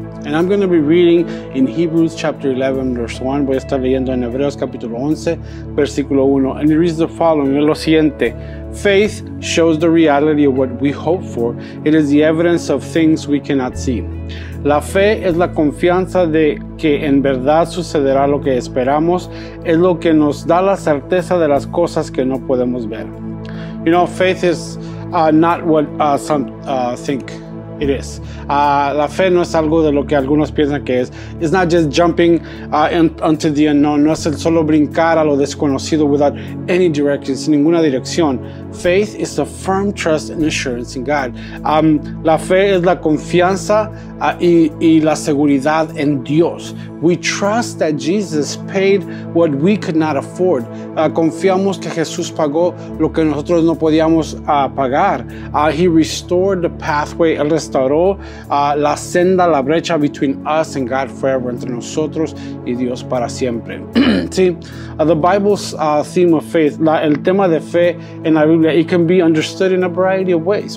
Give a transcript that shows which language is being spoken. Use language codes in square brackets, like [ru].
[en] And I'm going to be reading in Hebrews chapter 11, verse 1. [es] Voy a estar leyendo en Hebreos capítulo 11, versículo 1. [en] And it reads the following. [es] Es lo siguiente. [en] Faith shows the reality of what we hope for. It is the evidence of things we cannot see. [es] La fe es la confianza de que en verdad sucederá lo que esperamos. Es lo que nos da la certeza de las cosas que no podemos ver. [en] You know, faith is not what some think. It is. [es] La fe no es algo de lo que algunos piensan que es. [en] It's not just jumping into the unknown. [es] No es el solo brincar a lo desconocido [en] without any direction, [es] sin ninguna dirección. [en] Faith is a firm trust and assurance in God. [es] La fe es la confianza y la seguridad en Dios. [en] We trust that Jesus paid what we could not afford. [es] Confiamos que Jesús pagó lo que nosotros no podíamos pagar. [en] He restored the pathway. [es] Él restauró la senda, la brecha [en] between us and God forever, [es] entre nosotros y Dios para siempre. [en] The Bible's theme of faith, [es] el tema de fe en la Biblia, [en] it can be understood in a variety of ways.